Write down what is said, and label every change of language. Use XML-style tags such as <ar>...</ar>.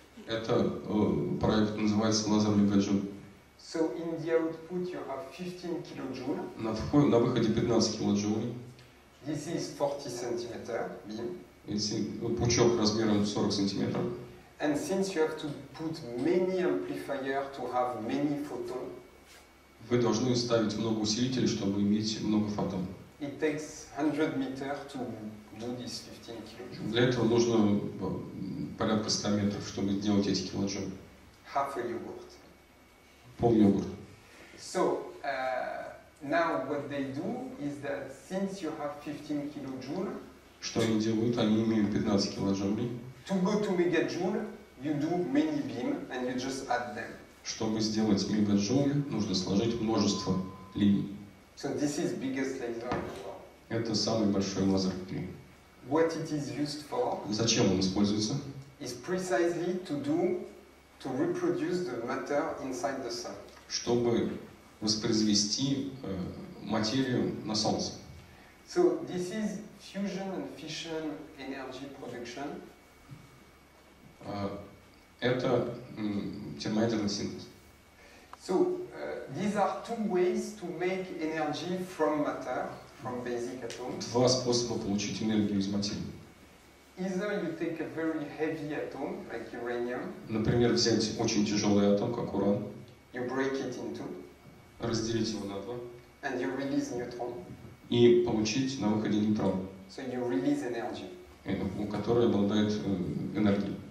<ru>Это проект называется лазер мегаджоуль.</ru> <en>So in the output you have 15 kilojoule.</en> <ru>На выходе 15 килоджоулей.</ru> <en>This is 40 centimeter beam.</en> <ru>Пучок размером 40 сантиметров.</ru> <en>And since you have to put many amplifier to have many photon.</en> <ru>Вы должны ставить много усилителей, чтобы иметь много фотон.</ru> <en>It takes 100 meters to do this 15 kilojoules.</en> <ru>Для этого нужно порядка 100 метров, чтобы сделать эти килоджоули.</ru> <en>Half a yogurt.</en> <ru>Пол йогурта.</ru> <en>So now what they do is that since you have 15 kilojoules.</en> <ru>Что они делают? Они имеют 15 килоджоулей.</ru> <en>To go to megajoule, you do many beam and you just add them.</en> <ru>Чтобы сделать мегаджоуль, нужно сложить множество линий.</ru> <en>So this is biggest laser in the world.</en> <ru>Это самый большой лазер в мире.</ru> <en>What it is used for?</en> <ru>Зачем он используется?</ru> <en>Is precisely to reproduce the matter inside the sun.</en> <ru>Чтобы воспроизвести материю на солнце.</ru> <en>So this is fusion and fission energy production.</en> <ru>Это термоядерный синтез.</ru> <en>So these are two ways to make energy from matter, from basic atoms.</en> <ru>Два способа получить энергию из материи.</ru> <en>Either you take a very heavy atom like uranium.</en> <ru>Например, взять очень тяжелый атом, как уран.</ru> <en>You break it in two.</en> <ru>Разделить его на два.</ru> <en>And you release neutron.</en> <ru>И получить на выходе нейтрон.</ru> <en>So you release energy.</en> <ru>У которой обладает энергией.</ru>